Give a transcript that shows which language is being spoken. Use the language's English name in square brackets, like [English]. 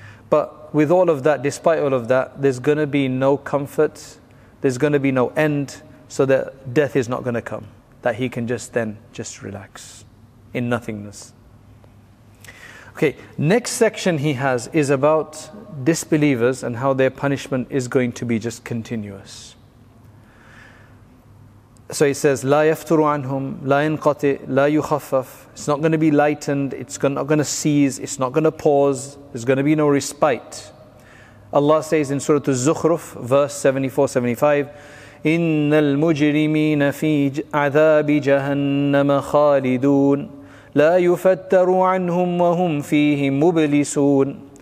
[English] But with all of that, despite all of that, there's going to be no comfort, there's going to be no end, so that death is not going to come, that he can just then just relax in nothingness. Okay, next section he has is about disbelievers and how their punishment is going to be just continuous. So he says, [Arabic] لا يفتر عنهم, لا ينقطع, لا يخفف. [English] It's not going to be lightened, it's not going to cease, it's not going to pause, there's going to be no respite. Allah says in Surah Az-Zukhruf, verse 74-75, [Arabic] إِنَّ الْمُجْرِمِينَ فِي عَذَابِ جَهَنَّمَ خَالِدُونَ لَا يُفَتَّرُ عَنْهُمْ وَهُمْ فِيهِ مُبْلِسُونَ.